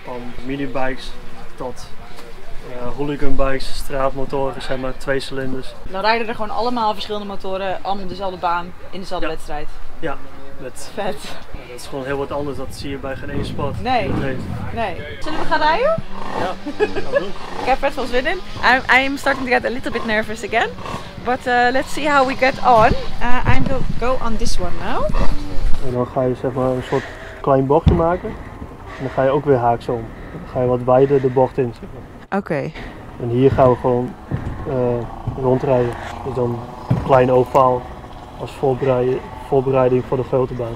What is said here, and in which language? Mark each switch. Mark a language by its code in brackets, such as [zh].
[nl] Van minibikes tot hooligan bikes, straatmotoren, zeg maar, twee cilinders. Dan rijden er gewoon allemaal verschillende motoren, allemaal dezelfde baan, in dezelfde wedstrijd. Ja. Vet. Ja, dat is gewoon heel wat anders, dat zie je bij geen één spot. Nee. Zullen we gaan rijden? Ja, gaan doen. Ik heb best wel zin in. [en] I'm starting to get a little bit nervous again. But let's see how we get on. I'm going to go on this one now. [nl] En dan ga je zeg maar een soort klein bochtje maken. En dan ga je ook weer haaks om. Dan ga je wat wijder de bocht in, zeg maar. Oké. Okay. En hier gaan we gewoon rondrijden. Dus dan een klein ovaal als voorbereiding voor de grote baan.